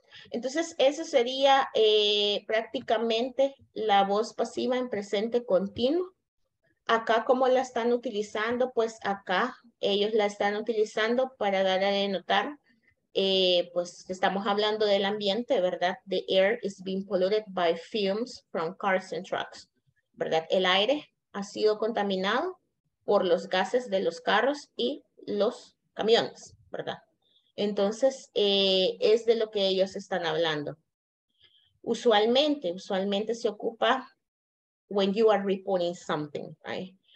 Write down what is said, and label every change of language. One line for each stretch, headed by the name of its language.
Spanish: Entonces, eso sería prácticamente la voz pasiva en presente continuo. Acá, ¿cómo la están utilizando? Pues acá ellos la están utilizando para dar a denotar, pues estamos hablando del ambiente, ¿verdad?
English: The air is being polluted by fumes from cars and trucks.
Spanish: ¿Verdad? El aire ha sido contaminado por los gases de los carros y los camiones, ¿verdad? Entonces, es de lo que ellos están hablando. Usualmente se ocupa
English: when you are reporting something, right?